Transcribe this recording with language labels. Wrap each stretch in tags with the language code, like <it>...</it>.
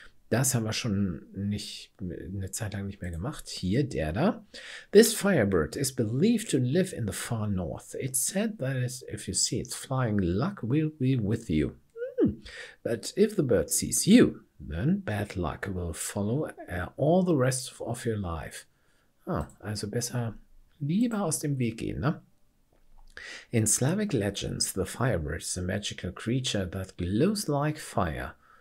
<de>Das haben wir schon nicht eine Zeit lang nicht mehr gemacht. Hier, der da.</de> <en>This firebird is believed to live in the far north. It's said that if you see its flying, luck will be with you. But if the bird sees you, then bad luck will follow all the rest of your life.</en> <de>Ah, also besser lieber aus dem Weg gehen, ne?</de> <en>In Slavic legends, the firebird is a magical creature that glows like fire.</en>